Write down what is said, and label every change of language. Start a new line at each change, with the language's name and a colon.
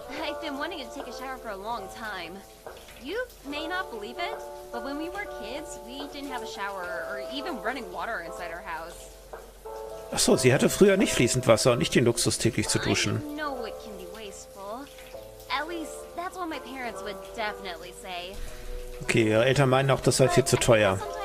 English: I've been wanting to take a shower for a long time. You may not believe it, but when we were kids, we didn't have a shower or even running water inside our house.
German: Ach so, sie hatte früher nicht fließend Wasser und nicht den Luxus, täglich zu duschen.
English: I know it can be wasteful. At least that's what my parents would definitely say.
German: Okay, ihre Eltern meinen auch, das sei viel zu teuer.